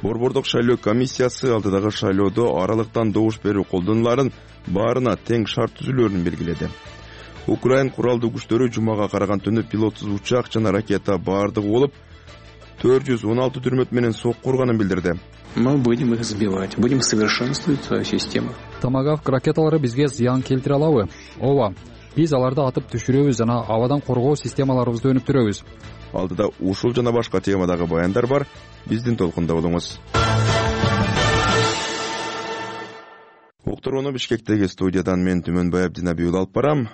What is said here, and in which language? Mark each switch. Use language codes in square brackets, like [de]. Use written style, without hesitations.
[ky] Борбордук шайлоо комиссиясы алдыдагы шайлоодо аралыктан добуш берүү колдонуларын баарына тең шарт түзүүлөрүн белгиледи. Украин куралдуу күчтөрү жумага караган түнү пилотсуз учак жана ракета бардыгы болуп 416 түрмөт менен соккурганын билдирди. [ru] Мы будем их сбивать, будем совершенствовать свою систему. [ky] Томагавк ракеталары бизге зыян келтире алабы? Ооба. Биз аларды атып түшүрөбүз жана абадан коргоо системаларыбызды өнүктүрөбүз. Алдыда ушул жана башка темадагы баяндар бар. Биздин толкунда болуңуз. Уктурууну Бишкектеги студиядан мен Түмөнбай Абдинабиев алып барам.